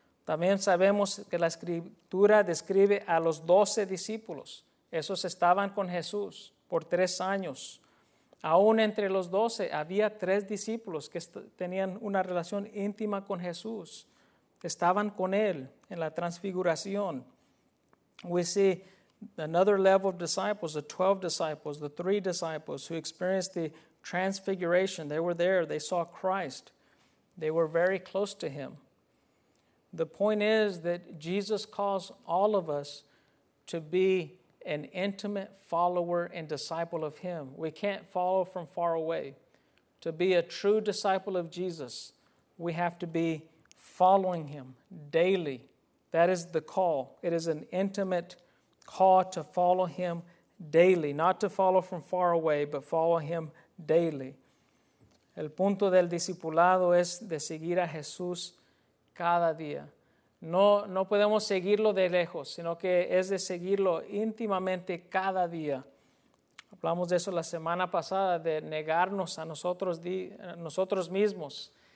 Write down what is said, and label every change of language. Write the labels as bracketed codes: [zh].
[es] También sabemos que la Escritura describe a los 12 discípulos. Esos estaban con Jesús por 3 años. Aún entre los 12 había 3 discípulos que tenían una relación íntima con Jesús. Estaban con él en la transfiguración. [en] We see another level of disciples, the 12 disciples, the 3 disciples who experienced the transfiguration. They were there. They saw Christ. They were very close to him. The point is that Jesus calls all of us to be an intimate follower and disciple of him. We can't follow from far away. To be a true disciple of Jesus, we have to be following him daily. That is the call. It is an intimate call to follow him daily. Not to follow from far away, but follow him daily. [es] El punto del discipulado es de seguir a Jesús cada día. No podemos seguirlo de lejos, sino que es de seguirlo íntimamente cada día. Hablamos de eso la semana pasada, de negarnos a nosotros mismos.